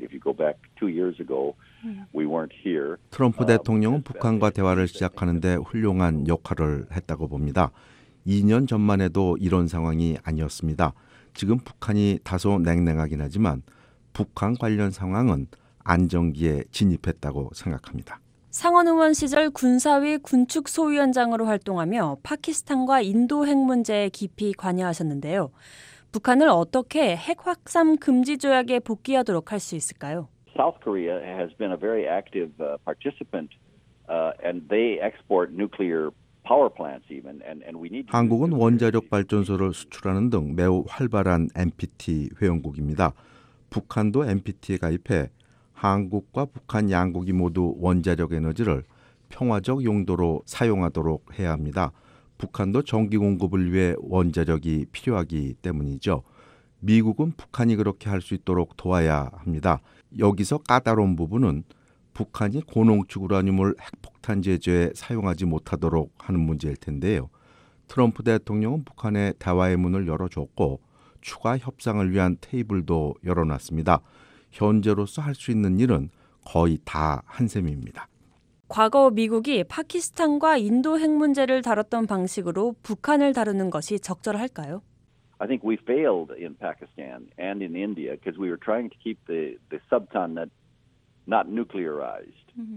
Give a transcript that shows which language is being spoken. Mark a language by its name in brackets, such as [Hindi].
[English] If you go back two years ago, we weren't here. [Korean] 트럼프 대통령은 북한과 대화를 시작하는데 훌륭한 역할을 했다고 봅니다. 2년 전만 해도 이런 상황이 아니었습니다. 지금 북한이 다소 냉랭하긴 하지만 북한 관련 상황은 안정기에 진입했다고 생각합니다. 상원 의원 시절 군사위 군축소위원장으로 활동하며 파키스탄과 인도 핵 문제에 깊이 관여하셨는데요. 북한을 어떻게 핵 확산 금지 조약에 복귀하도록 할 수 있을까요? [English] South Korea has been a very active participant and they export nuclear power plants even and we need [Korean] 한국은 원자력 발전소를 수출하는 등 매우 활발한 NPT 회원국입니다. 북한도 NPT에 가입해 한국과 북한 양국이 모두 원자력 에너지를 평화적 용도로 사용하도록 해야 합니다. 북한도 전기 공급을 위해 원자력이 필요하기 때문이죠. 미국은 북한이 그렇게 할 수 있도록 도와야 합니다. 여기서 까다로운 부분은 북한이 고농축 우라늄을 핵폭탄 제재에 사용하지 못하도록 하는 문제일 텐데요. 트럼프 대통령은 북한의 대화의 문을 열어줬고 추가 협상을 위한 테이블도 열어놨습니다. 현재로서 할 수 있는 일은 거의 다 한 셈입니다. 과거 미국이 파키스탄과 인도 핵 문제를 다뤘던 방식으로 북한을 다루는 것이 적절할까요? [English] I think we failed in Pakistan and in India because we were trying to keep the subcontinent not nuclearized.